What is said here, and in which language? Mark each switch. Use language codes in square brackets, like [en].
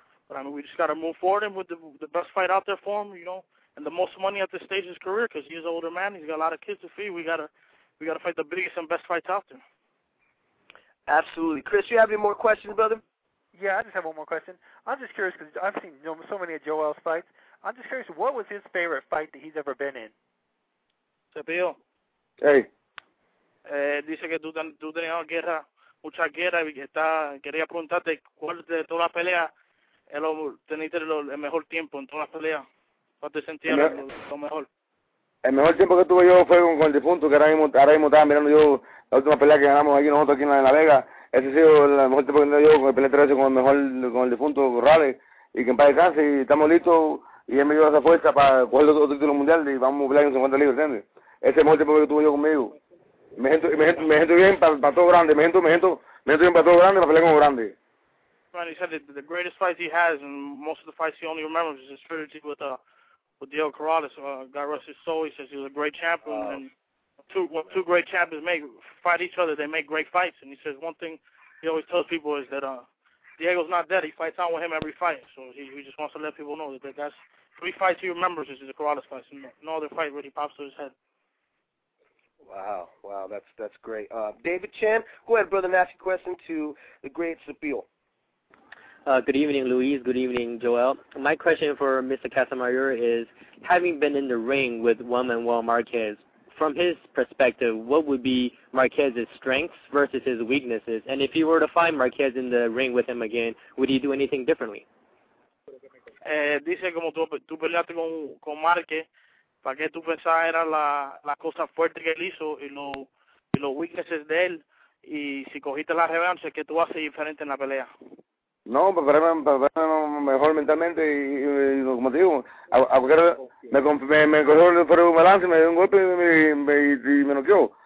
[en] But, I mean, we just got to move forward and with the best fight out there for him, and the most money at this stage of his career because he's an older man. He's got a lot of kids to feed. We got to fight the biggest and best fights out there. Absolutely. Chris, you have any more questions, brother? Yeah, I just have one more question. I'm just curious because I've seen so many of Joel's fights. I'm just curious, what was his favorite fight that he's ever been in? [es] Sabio. Hey. Dice que tú tenías guerra, mucha guerra, y quería preguntarte cuál de todas las peleas teniste el mejor tiempo en todas las peleas. ¿Cuál te sentías lo mejor? El mejor tiempo que tuve yo fue con el difunto, que ahora mismo estaba mirando yo la última pelea que ganamos aquí nosotros aquí en La Vega. Ese ha sido el mejor tiempo que tuve yo con el pelea 13 con el difunto Rale, y que en paz descanse, y estamos listos. Y él me dio esa fuerza para coger otro título mundial y vamos a pelear en 50 libras, ¿entiendes? Ese es el mejor tiempo que tuve yo conmigo. Me siento bien para todo grande. Me siento bien para todo grande, para pelear como grande. [en] Man, he said that the greatest fight he has and most of the fights he only remembers is his trilogy with Diego Corrales. God rest his soul. He says he was a great champion. And two great champions make fight each other, they make great fights. And he says one thing he always tells people is that Diego's not dead. He fights on with him every fight. So he just wants to let people know that that's three fights he remembers is the Corrales fight. No other fight really pops to his head. Wow, that's great. David Chan, go ahead, brother, and ask a question to the great Sabil. Good evening, Luis. Good evening, Joel. My question for Mr. Casamayor is, having been in the ring with Juan Manuel Marquez, from his perspective, what would be Marquez's strengths versus his weaknesses? And if you were to find Marquez in the ring with him again, would he do anything differently? [es] Dice como tú peleaste con Marquez, ¿para qué tú pensabas era la cosa fuerte que él hizo y los weaknesses de él? Y si cogiste la revancha, ¿qué tú haces diferente en la pelea? No, prepararme mejor mentalmente y como te digo, me cogió por un balance, me dio un golpe y me noqueó.